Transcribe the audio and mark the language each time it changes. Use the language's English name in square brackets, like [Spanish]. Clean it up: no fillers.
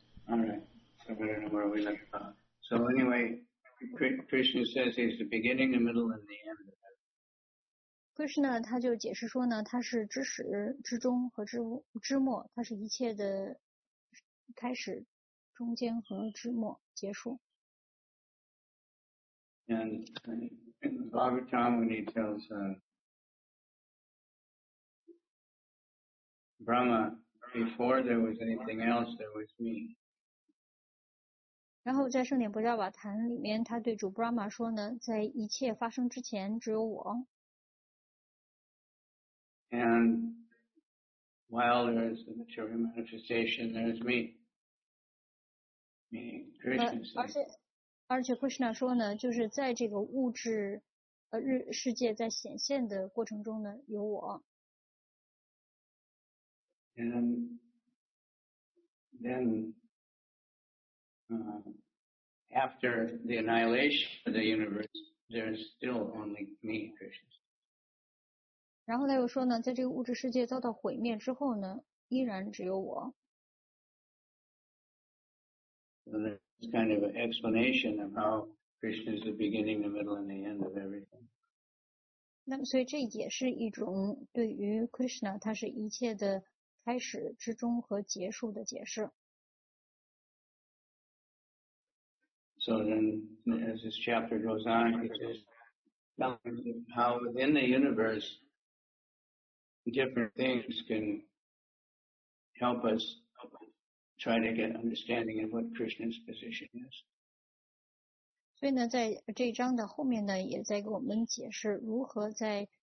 [English] Alright, so I don't know where we left off. So anyway, Krishna says he's the beginning, the middle, and the end. [Chinese] Krishna, 他就解释说呢，他是知始、知终和知末，他是一切的开始、中间和知末，结束。 [English] And in the Bhagavatam, when he tells, Brahma, before there was anything else, there was me. [Chinese] 然后在圣典不教瓦坛里面，他对主 Brahma 说呢，在一切发生之前，只有我。 [English] And while there is the material manifestation, there is me. Meaning Krishna. [Chinese] 而且 Krishna 说呢，就是在这个物质世界在显现的过程中呢，有我。 [English] And then, after the annihilation of the universe, there's still only me, Krishna. [Chinese] 然后他又说呢，在这个物质世界遭到毁灭之后呢，依然只有我。 [English] So that's kind of an explanation of how Krishna is the beginning, the middle, and the end of everything. [Chinese] 那么，所以这也是一种对于 Krishna， 他是一切的。开始之中和结束的解释。 [English] So then, as this chapter goes on, it is telling how within the universe, different things can help us try to get understanding of what Krishna's position is. [Chinese] 所以呢，在这一章的后面呢，也在给我们解释如何在。